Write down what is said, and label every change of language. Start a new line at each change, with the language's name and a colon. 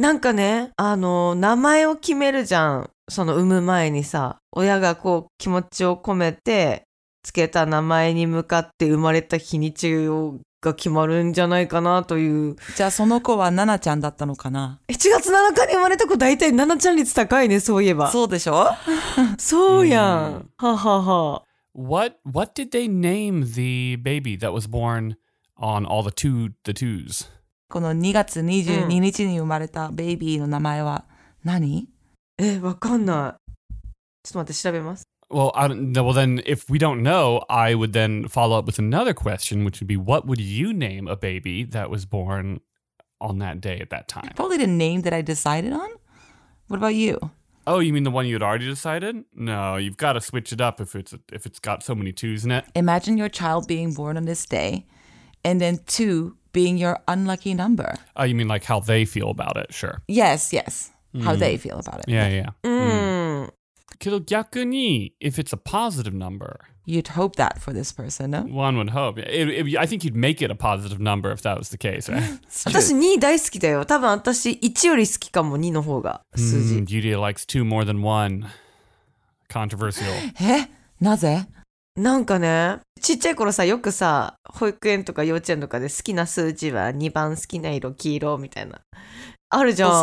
Japanese: なんかね、名前を決めるじゃん。その産む前にさ、親がこう気持ちを込めて、つけた名前に向かって生まれた日にちが決まるんじゃないかなというじゃあその子はナナちゃんだったのかな 7月7日に生まれた子大体ナナちゃん率高いねそういえばそうでしょそうやん、mm. ははは
English: What did they name the baby that was born on all the twos?
Japanese: この2月22日に生まれたベイビーの名前は何、うん、わかんないちょっと待って調べます
English: Well, I don't, well, then if we don't know, I would then follow up with another question, which would be, what would you name a baby that was born on that day at that time? Probably the name that I decided on. What about you? Oh, you mean the one you had already decided? No, you've got to switch it up if it's got so many twos in it. Imagine your child being born on this day and then two being your unlucky number. Oh, you mean like how they feel about it? Sure. Yes, yes. Mm. How they feel about it. Yeah, yeah. Mm. Mm.
Japanese: けど逆に
English: if it's a positive number You'd hope that for this person, no? One would hope I think you'd make it a positive number if that was the case, right?
Japanese: 私2大好きだよ多分私1より好きかも2の方が数字、mm,
English: Yudia likes 2 more than 1 Controversial
Japanese: え?なぜ? なんかねちっちゃい頃さよくさ保育園とか幼稚園とかで好きな数字は2番好きな色黄色みたいなあるじゃん。